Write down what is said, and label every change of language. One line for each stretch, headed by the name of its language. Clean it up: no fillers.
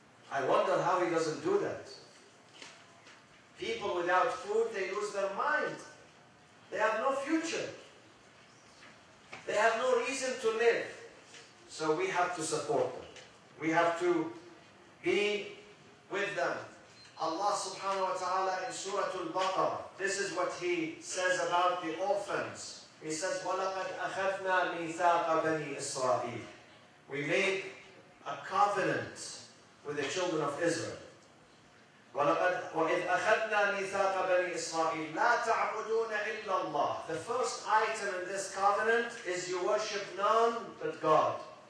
English: I wonder how he doesn't do that. People without food, they lose their mind. They have no future. They have no reason to live. So we have to support them. We have to be with them. Allah subhanahu wa ta'ala in Surah Al-Baqarah, this is what he says about the orphans. He says,
Arabic: وَلَقَدْ أَخَذْنَا مِيثَاقَ بَنِي إِسْرَائِيلِ.
English: We made a covenant with the children of Israel.
Arabic: وَإِذْ أَخَذْنَا مِيثَاقَ بَنِي إِسْرَائِيلِ لَا تَعْبُدُونَ إِلَّا اللَّهِ.
English: The first item in this covenant is you worship none but God.